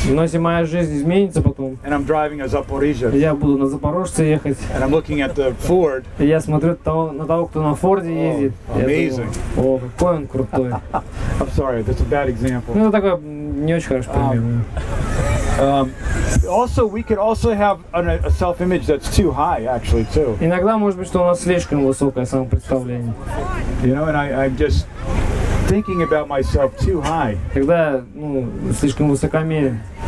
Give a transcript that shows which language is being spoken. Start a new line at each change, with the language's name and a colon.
Russian: но если моя жизнь изменится потом,
English: and I'm driving a Zaporizhzhia,
Russian: я буду на Запорожце ехать,
English: and I'm looking at the Ford,
Russian: и я смотрю на того, кто на Форде ездит,
English: amazing.
Russian: Думаю, о, какой он крутой.
English: I'm sorry, that's a bad example.
Russian: Ну, это такой не очень хороший пример.
English: Also, we could also have a self-image that's too high, actually, too.
Russian: Иногда может быть, что у нас слишком высокое самопредставление.
English: You know, and I just thinking about myself too high.
Russian: Когда, ну, слишком высокомерен.